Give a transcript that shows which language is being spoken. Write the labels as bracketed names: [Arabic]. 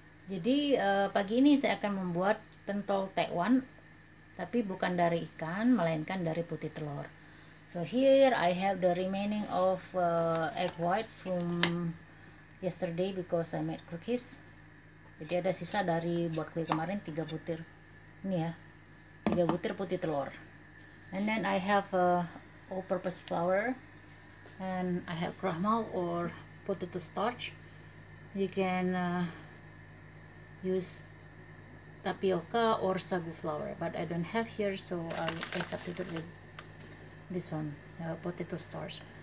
[Indonesian] Jadi pagi ini saya akan membuat pentol tekwan, tapi bukan dari ikan melainkan dari putih telur. [English] So here I have the remaining of egg white from yesterday because I made cookies. [Indonesian] Jadi ada sisa dari buat kue kemarin 3 butir. Ini ya, 3 butir putih telur. [English] And then I have all-purpose flour, and I have krahmal or potato starch. You can use tapioca or sagu flour, but I don't have here, so I substitute with this one, potato starch.